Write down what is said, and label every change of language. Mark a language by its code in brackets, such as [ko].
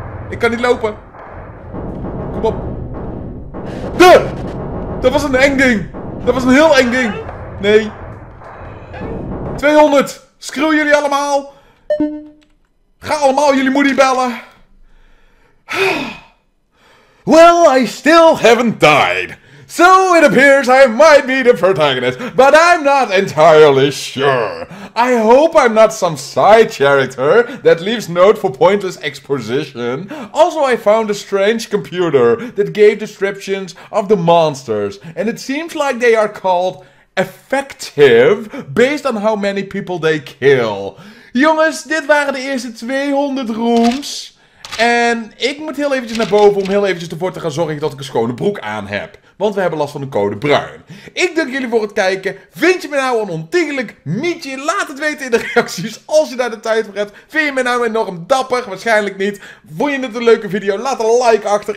[nl] Ik kan niet lopen. Kom op. De! Dat was een eng ding. Dat was een heel eng ding. Nee. 200. Screw jullie allemaal. Ga allemaal jullie moeder bellen. [en] Well, I still haven't died. So it appears I might be the protagonist. But I'm not entirely sure. I hope I'm not some side character that leaves note for pointless exposition. Also, I found a strange computer that gave descriptions of the monsters. And it seems like they are called effective based on how many people they kill. [nl] Jongens, dit waren de eerste 200 rooms. En ik moet heel eventjes naar boven om heel eventjes ervoor te gaan zorgen dat ik een schone broek aan heb. Want we hebben last van de code bruin. Ik dank jullie voor het kijken. Vind je me nou een ontiegelijk mietje? Laat het weten in de reacties als je daar de tijd voor hebt. Vind je me nou enorm dapper? Waarschijnlijk niet. Vond je het een leuke video? Laat een like achter.